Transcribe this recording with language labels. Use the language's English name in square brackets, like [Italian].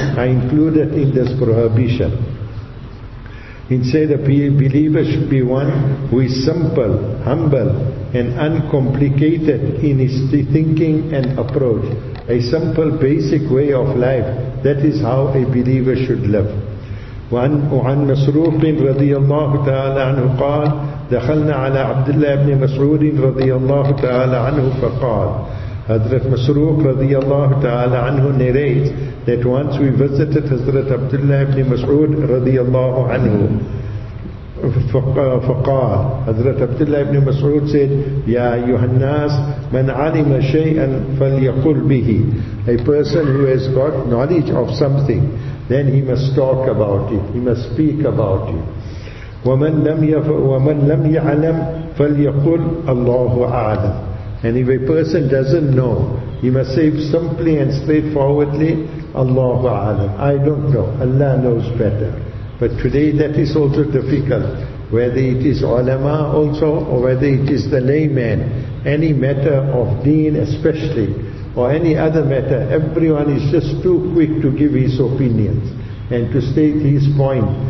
[English] are included in this prohibition. Instead, a believer should be one who is simple, humble and uncomplicated in his thinking and approach. A simple, basic way of life, that is how a believer should live. [Arabic] وعن مسروق رضي الله تعالى عنه قال دخلنا على عبد الله بن مسعود رضي الله تعالى عنه فقال. [English] Hazrat Masrooq radiyallahu ta'ala anhu narrates that once we visited Hazrat Abdullah ibn Mas'ud radiyallahu anhu. [Arabic] فقال Hazrat Abdullah ibn Mas'ud said, يا أيها الناس من علم شيئا فليقل به. [English] A person who has got knowledge of something, then he must talk about it, he must speak about it. [Arabic] ومن لم يعلم فليقل الله أعلم. [English] And if a person doesn't know, he must say simply and straightforwardly, Allahu A'lam, I don't know, Allah knows better. But today that is also difficult, whether it is ulama also, or whether it is the layman, any matter of deen especially, or any other matter, everyone is just too quick to give his opinions and to state his point.